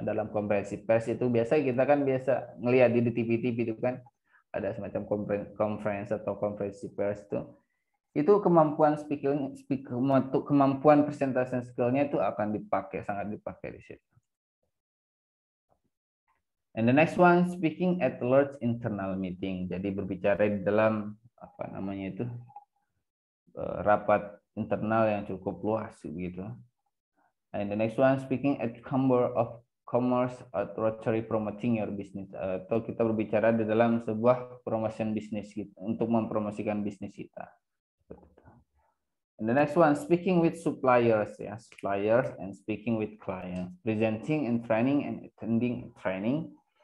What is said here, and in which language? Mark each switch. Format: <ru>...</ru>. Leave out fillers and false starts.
<id>Dalam konferensi pers itu biasa kita kan biasa ngelihat di TV-TV itu kan ada semacam conference atau konferensi pers itu kemampuan speaking untuk kemampuan presentation skill-nya itu akan dipakai, sangat dipakai di situ.</id> <en>And the next one, speaking at large internal meeting.</en> <id>Jadi berbicara di dalam apa namanya itu rapat internal yang cukup luas gitu.</id> <en>And the next one, speaking at Chamber of Commerce at Rotary promoting your business.</en> <id>Atau kita berbicara di dalam sebuah promotion bisnis gitu, untuk mempromosikan bisnis kita.</id> <en>And the next one, speaking with suppliers, ya, suppliers and speaking with clients, presenting and training and attending training.</en>